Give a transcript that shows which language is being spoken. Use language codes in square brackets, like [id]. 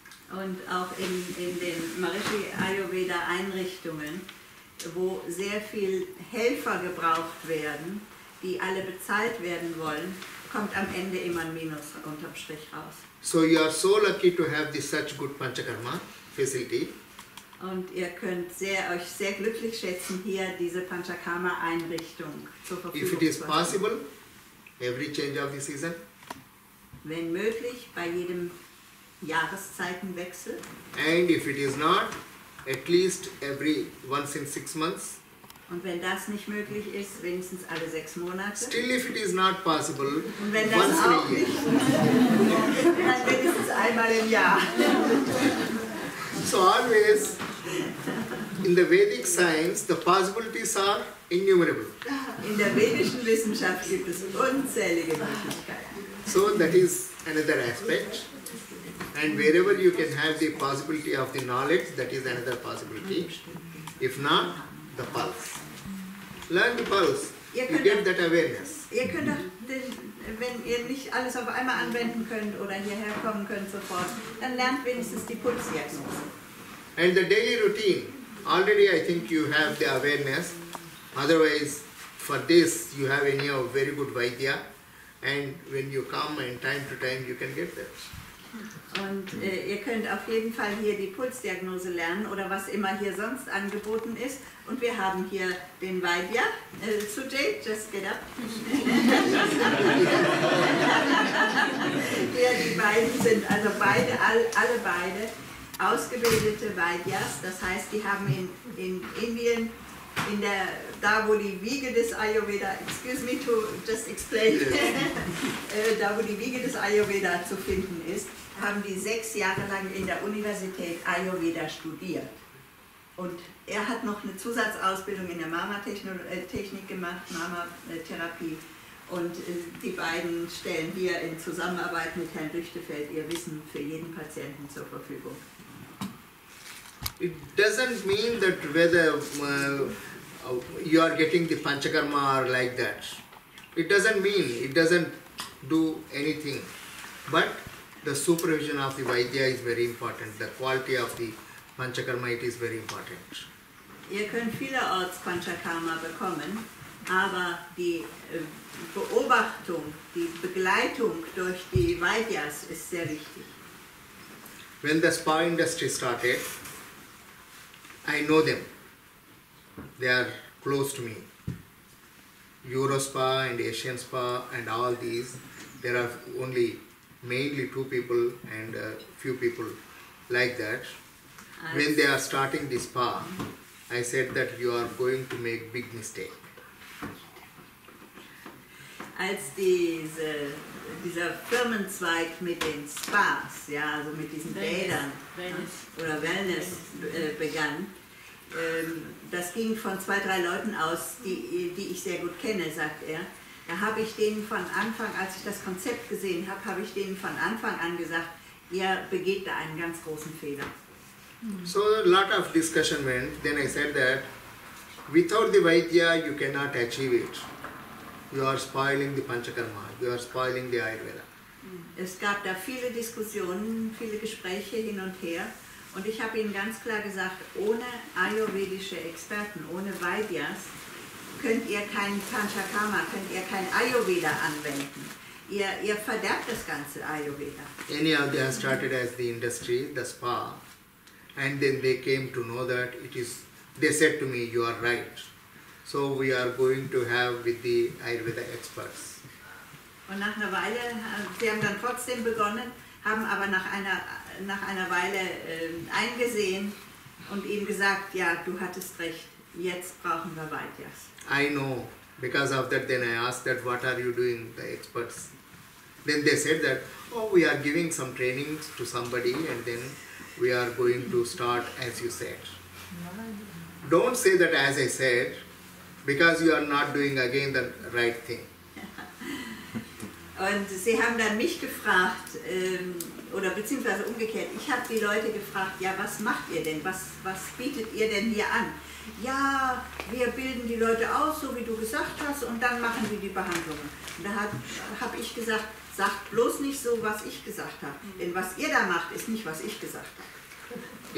[de] Und auch in den Maharishi Ayurveda Einrichtungen, wo sehr viel Helfer gebraucht werden, die alle bezahlt werden wollen, kommt am Ende immer ein Minus unterm Strich raus. [en] So you are so lucky to have this such good Panchakarma facility. [de] Und ihr könnt euch sehr glücklich schätzen, hier diese Panchakarma Einrichtung zur Verfügung zu haben. [en] If it is possible, every change of the season. [de] Wenn möglich, bei jedem Jahreszeitenwechsel. [en] And if it is not, at least every once in 6 months. [de] Und wenn das nicht möglich ist, wenigstens alle 6 Monate. [en] Still if it is not possible, [de] und wenn das [en] once [de] auch nicht, dann wenigstens einmal im Jahr. [en] So always, in the Vedic science, the possibilities are innumerable. [de] In der vedischen Wissenschaft gibt es unzählige Möglichkeiten. [en] So that is another aspect, and wherever you can have the possibility of the knowledge, that is another possibility. If not, the pulse. Learn the pulse. You get that awareness. [de] Ihr könnt auch, wenn ihr nicht alles auf einmal anwenden könnt oder hierher kommen könnt sofort, dann lernt wenigstens die Pulsdiagnose. [en] And the daily routine. Already, I think you have the awareness. Otherwise, for this, you have any of very good vaidya. And when you come and time to time you can get that. [de] Und ihr könnt auf jeden Fall hier die Pulsdiagnose lernen oder was immer hier sonst angeboten ist. Und wir haben hier den Vaidya. Sujay, [en] just get up. [de] Ja, die beiden sind also alle beide ausgebildete Vaidyas. Das heißt, die haben in Indien in der da wo die Wiege des Ayurveda, [en] excuse me to just explain, [de] da wo die Wiege des Ayurveda zu finden ist, haben die 6 Jahre lang in der Universität Ayurveda studiert. Und er hat noch eine Zusatzausbildung in der Mama-Technik gemacht, Mama-Therapie. Und die beiden stellen hier in Zusammenarbeit mit Herrn Lüchtefeld ihr Wissen für jeden Patienten zur Verfügung. [en] It doesn't mean that whether you are getting the Panchakarma or like that. It doesn't mean, it doesn't do anything. But the supervision of the Vaidya is very important. The quality of the Panchakarma, it is very important. [de] Ihr könnt vielerorts Panchakarma bekommen, aber die Beobachtung, die Begleitung durch die Vaidyas ist sehr wichtig. [en] When the spa industry started, I know them. They are close to me. Eurospa and Asian Spa and all these, there are only mainly 2 people and a few people like that. When they are starting the spa, I said that you are going to make big mistake. [de] Als dieser Firmenzweig mit den Spas, ja, also mit diesen Bädern oder Wellness begann, das ging von zwei, drei Leuten aus, die ich sehr gut kenne, sagt er. Da habe ich denen von Anfang, als ich das Konzept gesehen habe, habe ich denen von Anfang an gesagt, ihr begeht da einen ganz großen Fehler. [en] So a lot of discussion went, then I said that without the Vaidya you cannot achieve it. You are spoiling the Panchakarma, you are spoiling the Ayurveda. [de] Es gab da viele Diskussionen, viele Gespräche hin und her. Und ich habe Ihnen ganz klar gesagt, ohne ayurvedische Experten, ohne Vaidyas, könnt ihr kein Panchakarma, könnt ihr kein Ayurveda anwenden. Ihr verderbt das ganze Ayurveda. [en] Anyhow, they started as the industry, the spa. And then they came to know that it is, they said to me, you are right. So we are going to have with the Ayurveda experts. [de] Und nach einer Weile, sie haben dann trotzdem begonnen, haben aber nach einer Weile eingesehen und ihm gesagt, ja, du hattest recht, jetzt brauchen wir Vaidyas. [en] I know, because of that then I asked that, what are you doing, the experts? Then they said that, oh, we are giving some training to somebody and then we are going to start as you said. Don't say that as I said, because you are not doing again the right thing. [de] Und sie haben dann mich gefragt, oder beziehungsweise umgekehrt, ich habe die Leute gefragt, ja, was macht ihr denn, was bietet ihr denn hier an? Ja, wir bilden die Leute aus, so wie du gesagt hast, und dann machen wir die Behandlungen. Und da hab ich gesagt, sagt bloß nicht so, was ich gesagt habe, denn was ihr da macht, ist nicht, was ich gesagt habe.